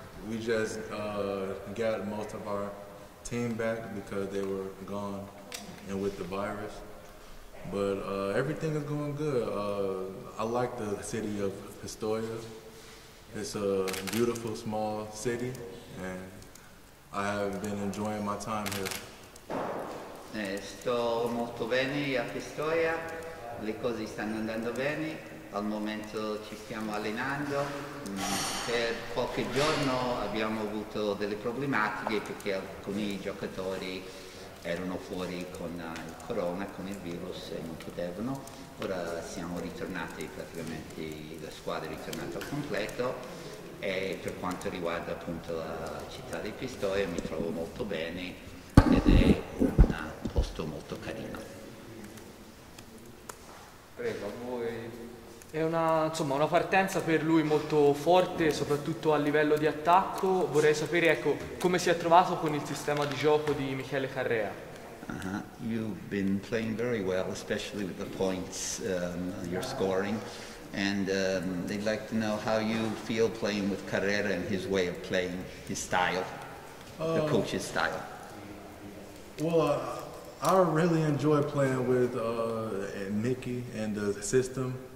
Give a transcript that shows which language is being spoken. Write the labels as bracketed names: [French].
[English] We just got most of our team back because they were gone and with the virus. But everything is going good. I like the city of Pistoia. It's a beautiful, small city, and I have been enjoying my time here. [Italian] Sto molto bene a Pistoia, le cose stanno andando bene, al momento ci stiamo allenando, per qualche giorno abbiamo avuto delle problematiche perché alcuni giocatori erano fuori con il corona, con il virus e non potevano, ora siamo ritornati praticamente, la squadra è ritornata al completo e per quanto riguarda appunto la città di Pistoia mi trovo molto bene ed è un posto molto carino. Prego, a voi. È una partenza per lui molto forte, soprattutto a livello di attacco. Vorrei sapere, ecco, come si è trovato con il sistema di gioco di Michele Carrea. [English] You've been playing very well, especially with the points you're scoring, and they'd like to know how you feel playing with Carrera and his way of playing, his style, the coach's style. Well, I really enjoy playing with Mickey and the system.